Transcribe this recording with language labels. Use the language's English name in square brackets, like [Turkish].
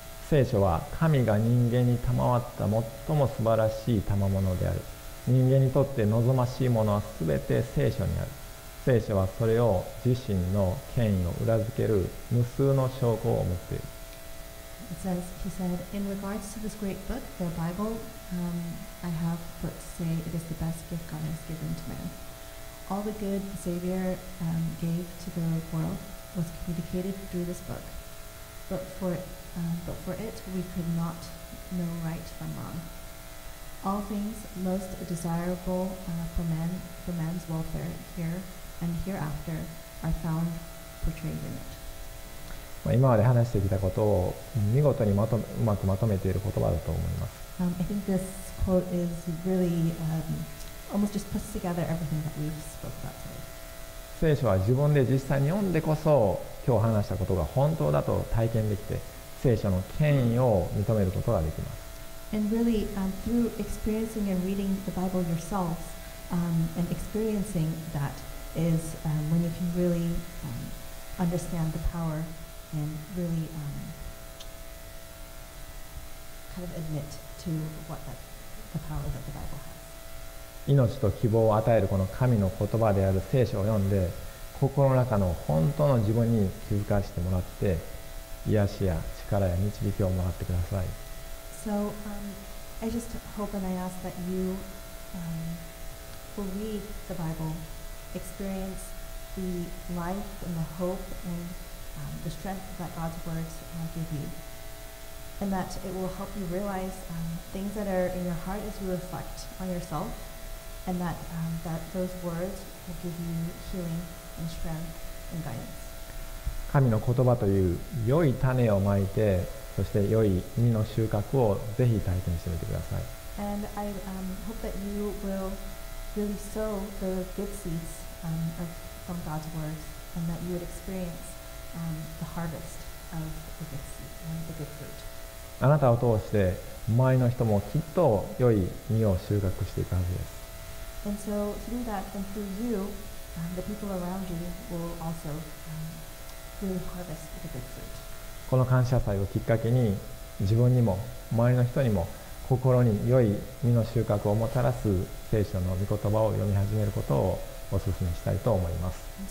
[Japanese] 聖書は神が人間に賜った最も素晴らしい賜物である。人間にとって望ましいものはすべて聖書にある。聖書はそれを自身の権威を裏付ける無数の証拠を持っている。 [English] It says, he said, in regards to this great book, the Bible, I have but to say it is the best gift God has given to man. All the good the Savior gave to the world was communicated through this book. But for it, we could not know right from wrong. All things most desirable for man's welfare here and hereafter are found portrayed in it. [Japanese] 今まで話してきたことを見事にうまくまとめている言葉だと思います。 [English] I think this quote is really almost just puts together everything that we've spoke about today. [Japanese] 聖書は自分で実際に読んでこそ今日話したことが本当だと体験できて聖書の権威を認めることができます。 [English] And really, through experiencing and reading the Bible yourself, and experiencing that is when you can really understand the power. And really, kind of admit to what the power that the Bible has. [Japanese] 命と希望を与えるこの神の言葉である聖書を読んで、心の中の本当の自分に気づかせてもらって、癒しや力や導きをもらってください。 [English] So, I just hope and I ask that you, will read the Bible, experience the life and the hope and the strength that God's words give you. And that it will help you realize things that are in your heart as you reflect on yourself. And that, that those words will give you healing and strength and guidance. [Japanese] 神の言葉という良い種をまいて、そして良い実の収穫をぜひ体験してみてください。 [English] And I hope that you will really sow the good seeds of from God's words, and that you would experience the harvest of the good seed, the good fruit. [Japanese] あなたを通して周りの人もきっと良い実を収穫していくはずです。 [English] And so through that and through you, the people around you will also really harvest the good fruit. [Japanese] この感謝祭をきっかけに自分にも周りの人にも心に良い実の収穫をもたらす聖書の御言葉を読み始めることをお勧めしたいと思います。